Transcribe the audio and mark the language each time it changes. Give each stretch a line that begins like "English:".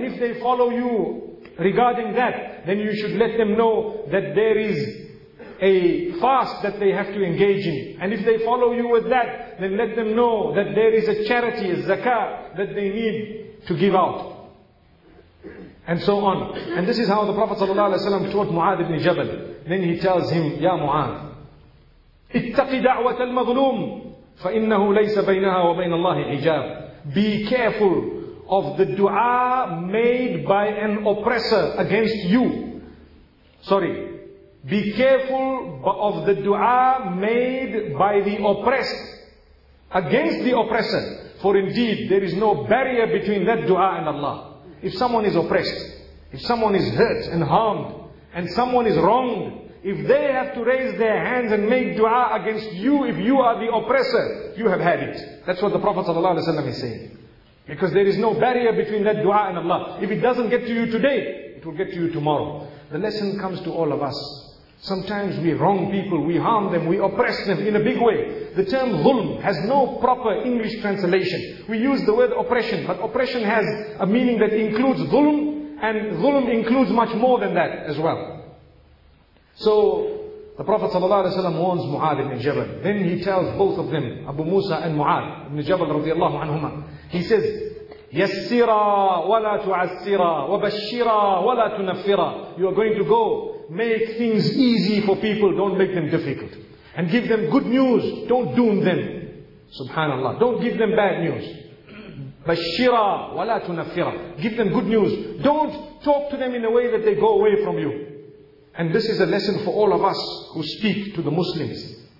English: And if they follow you regarding that, then you should let them know that there is a fast that they have to engage in. And if they follow you with that, then let them know that there is a charity, a zakah, that they need to give out. And so on. And this is how the Prophet ﷺ taught Mu'adh ibn Jabal. Then he tells him,
Arabic: Ya Mu'adh, اتَّقِ دَعْوَةَ الْمَظْلُومِ فَإِنَّهُ لَيْسَ بَيْنَهَا وَبَيْنَ اللَّهِ حِجَابٍ.
English: Be careful of the dua made by an oppressor against you. Sorry. Be careful of the dua made by the oppressed against the oppressor. For indeed, there is no barrier between that dua and Allah. If someone is oppressed, if someone is hurt and harmed, and someone is wronged, if they have to raise their hands and make dua against you, if you are the oppressor, you have had it. That's what the Prophet ﷺ is saying. Because there is no barrier between that dua and Allah. If it doesn't get to you today, it will get to you tomorrow. The lesson comes to all of us. Sometimes we wrong people, we harm them, we oppress them in a big way. The term dhulm has no proper English translation. We use the word oppression, but oppression has a meaning that includes dhulm, and dhulm includes much more than that as well. So the Prophet ﷺ warns Mu'adh ibn Jabal. Then he tells both of them, Abu Musa and Mu'adh ibn Jabal radiallahu anhuma. He says,
Arabic: يَسِّرَا وَلَا تُعَسِّرَا وَبَشِّرَا وَلَا تُنَفِّرَا.
English: You are going to go make things easy for people, don't make them difficult. And give them good news, don't doom them. Subhanallah. Don't give them bad news.
Arabic: بَشِّرَا وَلَا تُنَفِّرَا.
English: Give them good news. Don't talk to them in a way that they go away from you. And this is a lesson for all of us who speak to the Muslims.